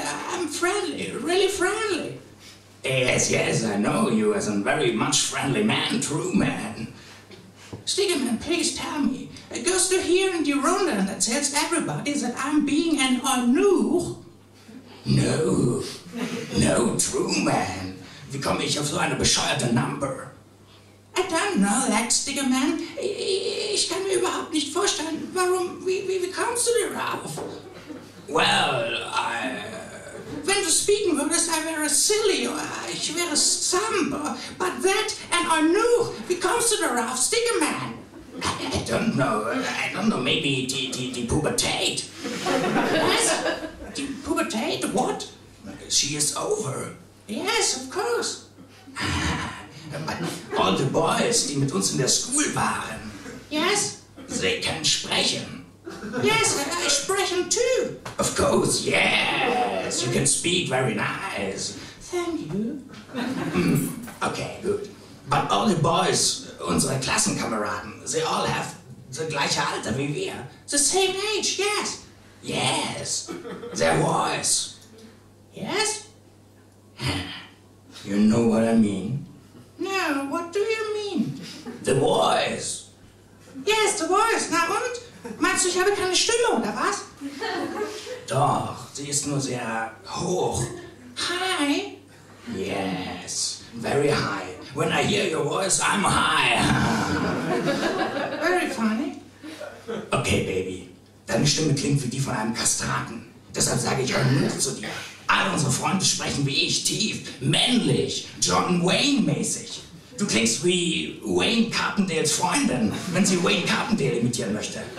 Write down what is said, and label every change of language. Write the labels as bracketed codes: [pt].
[en] I'm friendly, really friendly. Yes, I know you as a very much friendly man, true man. Stickerman, please tell me. It goes to here in Dirondan that tells everybody that I'm being an Eunuch. No, true man. [de] Wie komme ich auf so eine bescheuerte Number? [en] I don't know that, Stickerman. [de] Ich kann mir überhaupt nicht vorstellen, warum, wie kommst du darauf? [en] Well, I... [de] Wenn du speaken würdest, [en] I [de] wäre [en] silly, or [de] ich wäre samba. [en] But that, and I knew, [de] wie kommst du darauf, [en] Stickerman? I don't know, maybe [de] die Pubertät. Was? Die Pubertät, [en] what? She is over. Yes, of course. All the boys, [de] die mit uns in der School waren. [en] Yes? They can [de] sprechen. [en] Yes, I [de] sprechen [en] too. Of course, yes. You can speak very nice. Thank you. Okay, good. But all the boys, [de] unsere Klassenkameraden, [en] they all have the [de] gleiche Alter wie wir. [en] The same age, yes. Yes. Their voice. Yes? You know what I mean? No, what do you mean? The voice. Yes, the voice. [de] Na und? Meinst du, ich habe keine Stimme, oder was? Doch, sie ist nur sehr hoch. [en] High? Yes, very high. When I hear your voice, I'm high. Very funny. Okay, Baby. [de] Deine Stimme klingt wie die von einem Kastraten. Deshalb sage ich auch nichts zu dir. Alle unsere Freunde sprechen wie ich, tief, männlich, John Wayne-mäßig. Du klingst wie Wayne Carpendales Freundin, wenn sie Wayne Carpendale imitieren möchte.